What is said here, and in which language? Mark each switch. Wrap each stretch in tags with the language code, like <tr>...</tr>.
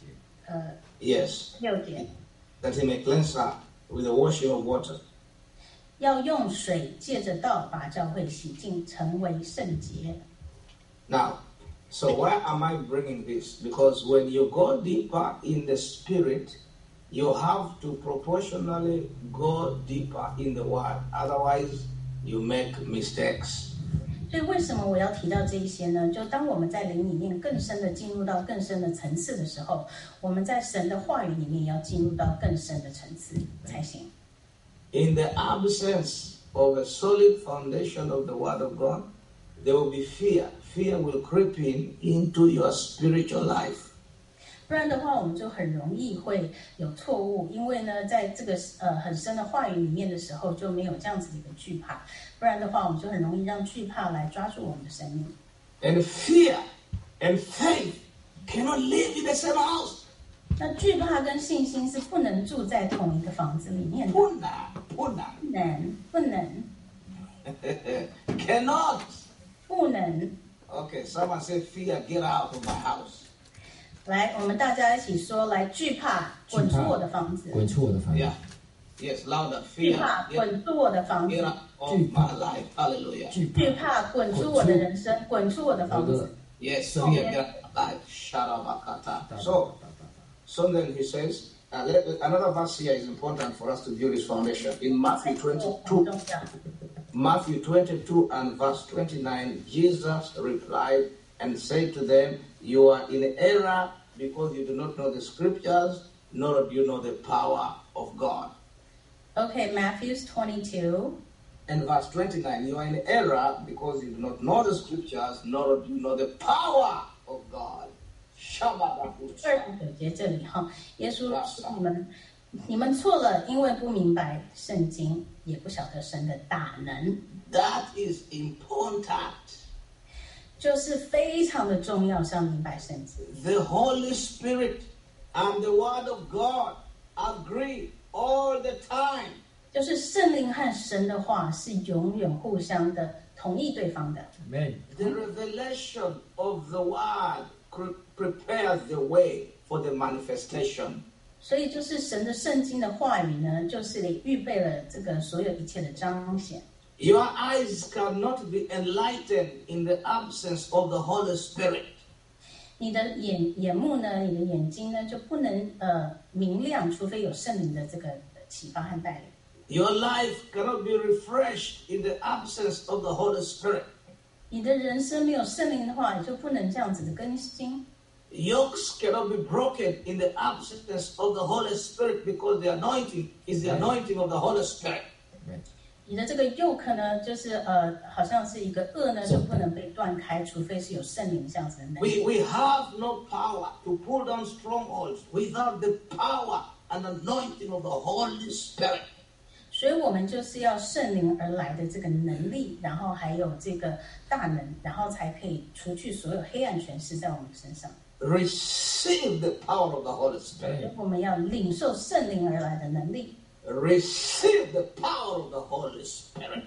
<zh>所以我们就一起来再读一次第五章二十六节。</zh> <en>That he may cleanse her with the washing of water.</en> <zh>要用水借着道把教会洗净成为圣洁。</zh> <en>Now, so why am I bringing this? Because when you go deeper in the Spirit, you have to proportionally go deeper in the Word. Otherwise, you make mistakes.</en> <zh>所以为什么我要提到这一些呢?就当我们在灵里面更深的进入到更深的层次的时候, 我们在神的话语里面要进入到更深的层次才行。</zh> <en>In the absence of a solid foundation of the Word of God, there will be fear. Fear will creep into your spiritual life.</en> <zh>不然的话我们就很容易会有错误，因为呢在这个很深的话语里面的时候就没有这样子的一个惧怕，不然的话我们就很容易让惧怕来抓住我们的生命。</zh> <en>And fear and faith cannot live in the same house.</en> <zh>那惧怕跟信心是不能住在同一个房子里面的。不能不能不能</zh> <en>cannot</en> <zh>不能。</zh> <en>Okay, someone say fear, get out of my house.</en> <zh>来，我们大家一起说，来，惧怕，滚出我的房子，滚出我的房子。</zh> <en>Yeah, yes, louder, fear,</en> <zh>惧怕，滚出我的房子。</zh> <en>Get out of my life, hallelujah.</en> <zh>惧怕，滚出我的人生，滚出我的房子。</zh> <en>Yes, fear, get out of my life, shut up, akata. So then he says, another verse here is important for us to view this foundation. In Matthew 22, Matthew 22 and verse 29, Jesus replied and said to them, you are in error because you do not know the scriptures, nor do you know the power of God. Okay, Matthew's 22. And verse 29, you are in error because you do not know the scriptures, nor do you know the power of God.</en> <he>Shabbat Shalom.</he> <zh>你们错了，因为不明白圣经，也不晓得神的大能。</zh> <en>That is important.</en> <zh>就是非常的重要，是要明白圣经。</zh> <en>The Holy Spirit and the Word of God agree all the time.</en> <zh>就是圣灵和神的话是永远互相的同意对方的。</zh> <en>Amen. The revelation of the Word prepares the way for the manifestation.</en> <zh>所以就是神的圣经的话语呢，就是你预备了这个所有一切的彰显。</zh> <en>Your eyes cannot be enlightened in the absence of the Holy Spirit.</en> <zh>你的眼目呢，你的眼睛呢，就不能明亮，除非有圣灵的这个启发和带领。</zh> <en>Your life cannot be refreshed in the absence of the Holy Spirit.</en> <zh>你的人生没有圣灵的话，你就不能这样子的更新。</zh> <en>Yokes cannot be broken in the absence of the Holy Spirit because the anointing is the anointing of the Holy Spirit.</en> <zh>你的这个 yoke 呢，就是好像是一个轭呢，就不能被断开，除非是有圣灵这样子的能力。</zh> <en>We have no power to pull down strongholds without the power and anointing of the Holy Spirit.</en> <zh>所以我们就是要圣灵而来的这个能力，然后还有这个大能，然后才可以除去所有黑暗权势在我们身上。</zh> <en>Receive the power of the Holy Spirit.</en> <zh>我们要领受圣灵而来的能力。</zh> <en>Receive the power of the Holy Spirit.</en>